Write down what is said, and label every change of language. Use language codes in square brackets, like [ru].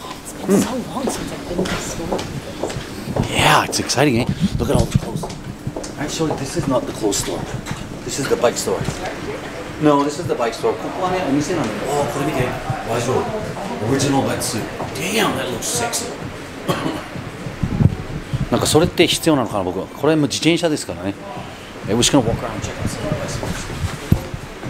[en] It's been、so long since I've been in this store Yeah, it's exciting, eh? Look at all the clothes Actually, this is not the clothes store This is the bike store No, this is the bike store [ja] ここはね、お店なんだよ、これ見て大丈夫 [en] Original bike suit. Damn, that looks sexy. [ja] なんかそれって必要なのかな僕は。これも自転車ですからね。 [en] We're just gonna walk around and check out some of the